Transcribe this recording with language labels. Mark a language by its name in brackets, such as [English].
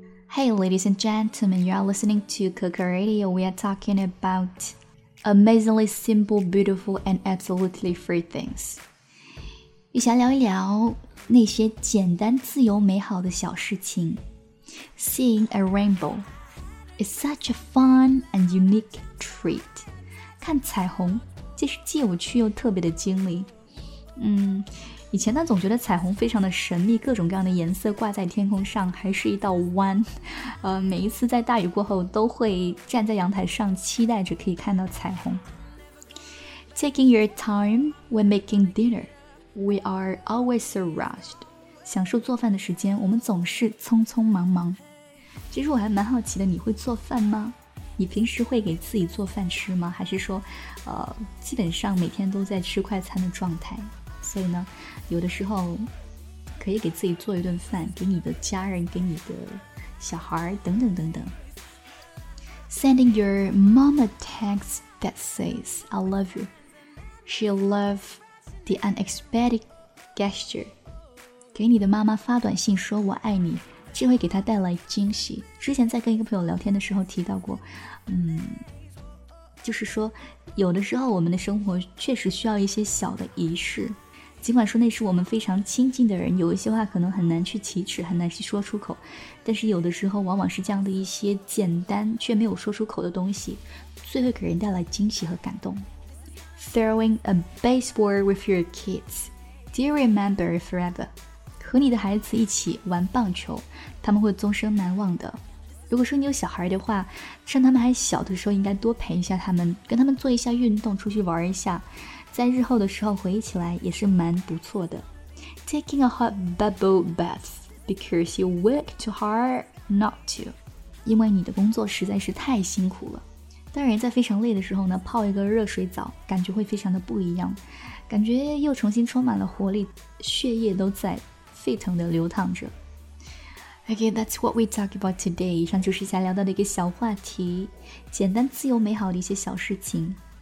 [English] Hey, ladies and gentlemen, you are listening to Coco Radio. We are talking about amazingly simple, beautiful, and absolutely free things. [Chinese] 你想聊一聊那些简单、自由、美好的小事情。 [English] Seeing a rainbow is such a fun and unique treat. [Chinese] 看彩虹，这是既有趣又特别的经历。以前呢，总觉得彩虹非常的神秘，各种各样的颜色挂在天空上，还是一道弯。每一次在大雨过后，都会站在阳台上，期待着可以看到彩虹。 [English] Taking your time when making dinner, we are always so rushed. [Chinese] 享受做饭的时间，我们总是匆匆忙忙。其实我还蛮好奇的，你会做饭吗？你平时会给自己做饭吃吗？还是说，基本上每天都在吃快餐的状态？所以呢，有的时候可以给自己做一顿饭，给你的家人，给你的小孩等等等等。 [English] Sending your mom a text that says I love you. She loves the unexpected gesture. [Chinese] 给你的妈妈发短信说我爱你，这会给她带来惊喜。之前在跟一个朋友聊天的时候提到过，就是说有的时候我们的生活确实需要一些小的仪式，尽管说那是我们非常亲近的人，有一些话可能很难去启齿，很难去说出口，但是有的时候往往是这样的一些简单却没有说出口的东西，最会给人带来惊喜和感动。 [English] Throwing a baseball with your kids. Do you remember forever? [Chinese] 和你的孩子一起玩棒球，他们会终生难忘的。如果说你有小孩的话，趁他们还小的时候应该多陪一下他们，跟他们做一下运动，出去玩一下，在日后的时候回忆起来也是蛮不错的。 [English] Taking a hot bubble bath because you work too hard not to. [Chinese] 因为你的工作实在是太辛苦了。当然在非常累的时候呢，泡一个热水澡感觉会非常的不一样，感觉又重新充满了活力，血液都在沸腾的流淌着。 [English] Okay, that's what we talk about today. [Chinese] 以上就是想聊到的一个小话题，简单自由美好的一些小事情。